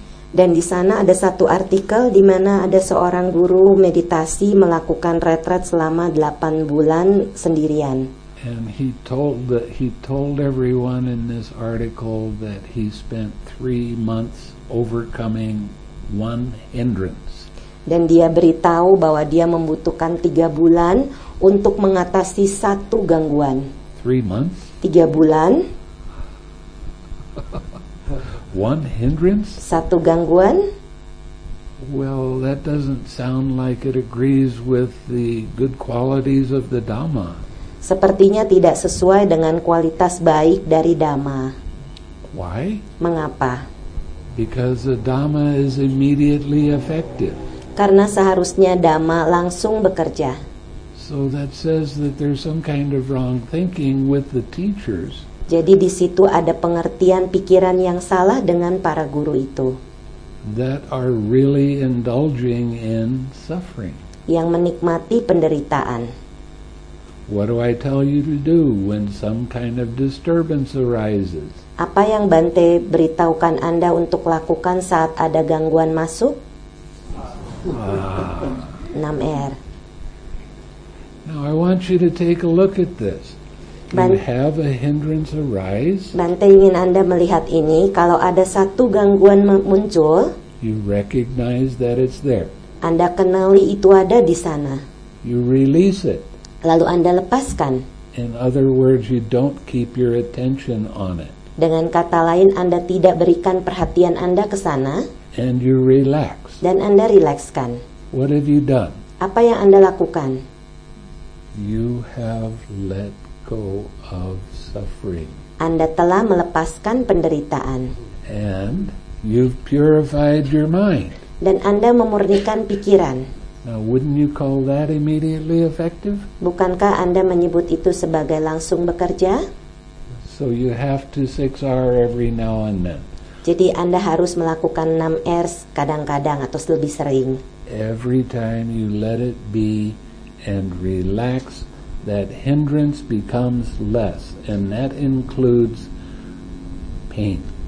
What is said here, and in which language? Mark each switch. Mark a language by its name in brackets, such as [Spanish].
[Indonesian] Dan di sana ada satu artikel di mana ada seorang guru meditasi melakukan retret selama 8 bulan sendirian. [English] And he told everyone in this article that he spent 3 months overcoming one hindrance. [Indonesian] Dan dia beritahu bahwa dia membutuhkan 3 bulan untuk mengatasi satu gangguan. [English] 3 months? [Indonesian] 3 bulan. [English] One hindrance? [Indonesian] Satu gangguan? [English] Well, that doesn't sound like it agrees with the good qualities of the Dhamma. [Indonesian] Sepertinya tidak sesuai dengan kualitas baik dari Dhamma. [English] Why? [Indonesian] Mengapa? [English] Because the Dhamma is immediately effective. [Indonesian] Karena seharusnya Dhamma langsung bekerja. [English] So that says that there's some kind of wrong thinking with the teachers. [Indonesian] Jadi di situ ada pengertian pikiran yang salah dengan para guru itu. [English] That are really indulging in suffering. [Indonesian] Yang menikmati penderitaan. [English] What do I tell you to do when some kind of disturbance arises? [Indonesian] Apa yang Bante beritahukan Anda untuk lakukan saat ada gangguan masuk? [English] 6R. Now I want you to take a look at this. You have a hindrance arise. [Indonesian] Bante ingin Anda melihat ini. Kalau ada satu gangguan muncul, [English] you recognize that it's there. [Indonesian] Anda kenali itu ada di sana. [English] You release it. [Indonesian] Lalu Anda lepaskan. [English] In other words, you don't keep your attention on it. [Indonesian] Dengan kata lain, Anda tidak berikan perhatian Anda ke sana. [English] And you relax. [Indonesian] Dan Anda rilekskan. [English] What have you done? [Indonesian] Apa yang Anda lakukan? [English] You have let go of suffering. [Indonesian] Anda telah melepaskan penderitaan. [English] And you've purified your mind. [Indonesian] Dan Anda memurnikan pikiran. [English] Now, wouldn't you call that immediately effective? [Indonesian] Bukankah Anda menyebut itu sebagai langsung bekerja? [English] So you have to 6R every now and then. [Indonesian] Jadi Anda harus melakukan 6R kadang-kadang atau lebih sering. [English] Every time you let it be and relax, that hindrance becomes less, and that includes pain.